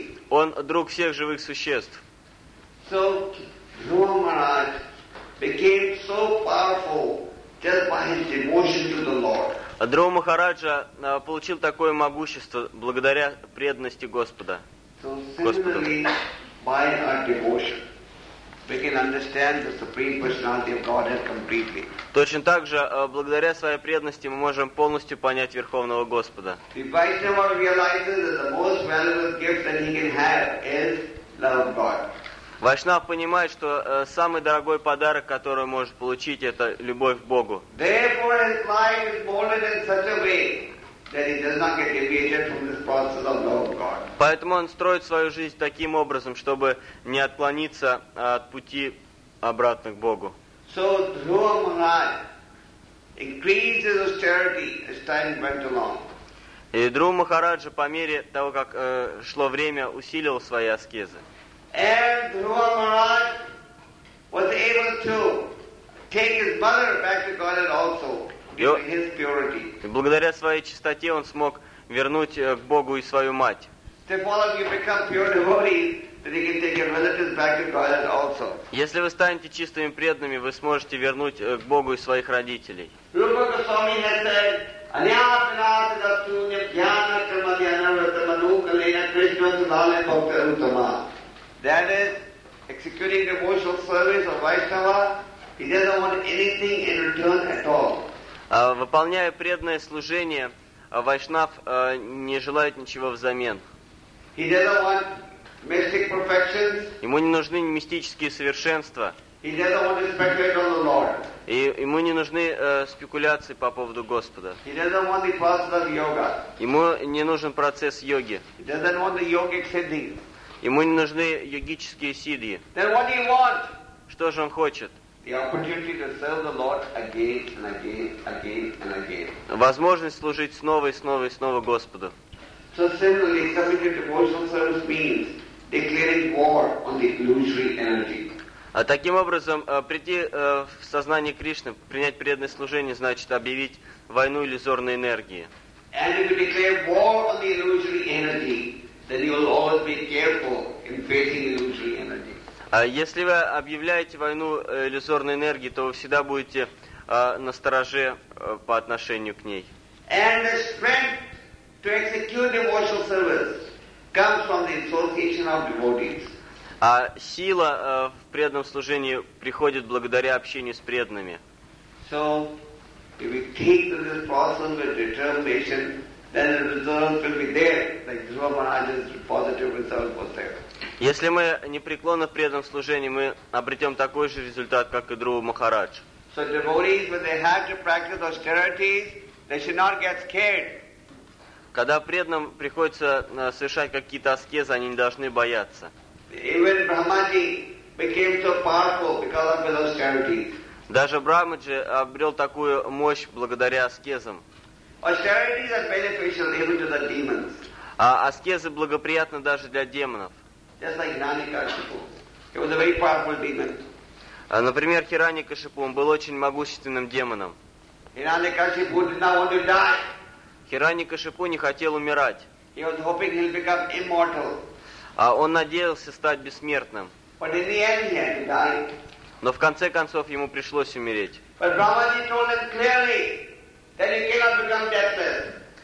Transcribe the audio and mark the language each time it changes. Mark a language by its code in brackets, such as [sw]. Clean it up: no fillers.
[ru] Он друг всех живых существ. [en] So Dhruva Maharaj became so powerful just by his devotion to the Lord. [ru] Дхрува Махараджа получил такое могущество благодаря преданности Господа. Господу. [en] By our devotion, we can understand the supreme personality of Godhead completely. [ru] Точно так же, благодаря своей преданности, мы можем полностью понять Верховного Господа. [en] The Vaishnava realizes that the most valuable gift that he can have is love of God. [ru] Вайшнав понимает, что самый дорогой подарок, который он может получить, это любовь к Богу. [en] Therefore, his life is molded in such a way that he does not get deviated from this process of love of God. [ru] Поэтому он строит свою жизнь таким образом, чтобы не отклониться от пути обратно к Богу. [en] So Dhruva Maharaj increases austerity as time went along. [ru] И Дхрува Махараджа по мере того, как шло время, усиливал свои аскезы. [en] And Dhruva Maharaj was able to take his mother back to Godhead also, given his purity. [ru] И благодаря своей чистоте он смог вернуть к Богу и свою мать. [en] If all of you become pure devotees, then you can take your relatives back to Godhead also. [ru] Если вы станете чистыми преданными, вы сможете вернуть к Богу и своих родителей. [en] Rupa Goswami has said, "Anyapinasa dasunya jnana karma jnana vrtama nuka lena Krishna sadale bhakta uttama." That is, executing devotional service of Vaishnava, he doesn't want anything in return at all. [ru] Выполняя преданное служение, Вайшнав не желает ничего взамен. [en] He doesn't want mystic perfections. [ru] Ему не нужны мистические совершенства. [en] He doesn't want to speculate on the Lord. [ru] И ему не нужны спекуляции по поводу Господа. [en] He doesn't want the process of yoga. [ru] Ему не нужен процесс йоги. [en] He doesn't want the yogic siddhis. [ru] Ему не нужны йогические сиддхи. [en] Then what do you want? [ru] Что же он хочет? [en] The opportunity to serve the Lord again and again, again and again. [ru] Возможность служить снова и снова и снова Господу. [en] So similarly, committed devotional service means declaring war on the illusory energy. [ru] Таким образом, прийти в сознание Кришны, принять преданное служение, значит объявить войну иллюзорной энергии. [en] And if you declare war on the illusory energy, then you will always be careful in facing illusory energy. [ru] Если вы объявляете войну иллюзорной энергии, то вы всегда будете настороже по отношению к ней. [en] And the strength to execute devotional service comes from the association of devotees. [ru] А сила в преданном служении приходит благодаря общению с преданными. [en] So, if we keep to this process with determination, then the results will be there, like Dhruva Maharaj's positive result was there. [ru] Если мы непреклонны в преданном служении, мы обретем такой же результат, как и Дхрува Махарадж. [en] So devotees, when they have to practice austerities, they should not get scared. [ru] Когда преданным приходится совершать какие-то аскезы, они не должны бояться. [en] Even Brahmaji became so powerful because of his austerities. [ru] Даже Брахмаджи обрел такую мощь благодаря аскезам. [en] Austerities are beneficial even to the demons. [ru] А аскезы благоприятны даже для демонов. [en] Just like Nani Kashipu. He was a very powerful demon. [ru] Например, Хирани Кашипу, он был очень могущественным демоном. [en] Hirani Kashipu did not want to die. [ru] Хирани Кашипу не хотел умирать. [en] He was hoping he'll become immortal. [ru] А он надеялся стать бессмертным. [en] But in the end he had to die. [ru] Но в конце концов ему пришлось умереть. [en] But Brahmaji told him clearly that he cannot become deathless.